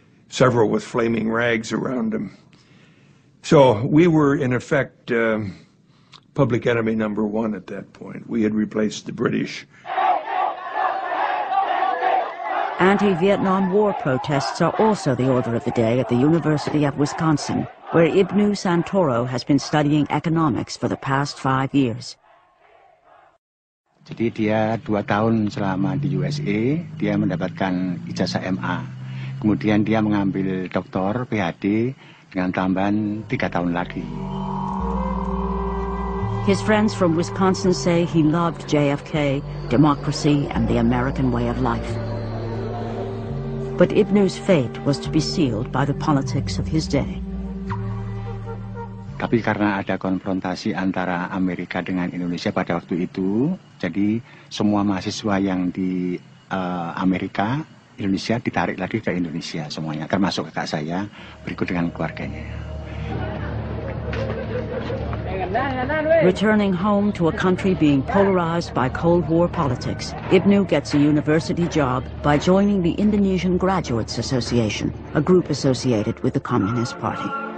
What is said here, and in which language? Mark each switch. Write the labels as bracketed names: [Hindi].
[English] Several with flaming rags around them. So we were, in effect, public enemy number one at that point. We had replaced the British. Anti-Vietnam War protests are also the order of the day at the University of Wisconsin, where Ibnu Santoro has been studying economics for the past 5 years. [Indonesian] Jadi dia 2 tahun selama di USA, dia mendapatkan ijazah MA. Kemudian dia mengambil doktor PhD dengan tambahan 3 tahun lagi. [English] His friends from Wisconsin say he loved JFK, democracy, and the American way of life. But Ibnu's fate was to be sealed by the politics of his day. [Indonesian] Tapi karena ada konfrontasi antara Amerika dengan Indonesia pada waktu itu, jadi semua mahasiswa yang di Amerika Indonesia ditarik lagi ke Indonesia semuanya, termasuk kakak saya, berikut dengan keluarganya. [English] Returning home to a country being polarized by Cold War politics, Ibnu gets a university job by joining the Indonesian Graduates Association, a group associated with the Communist Party.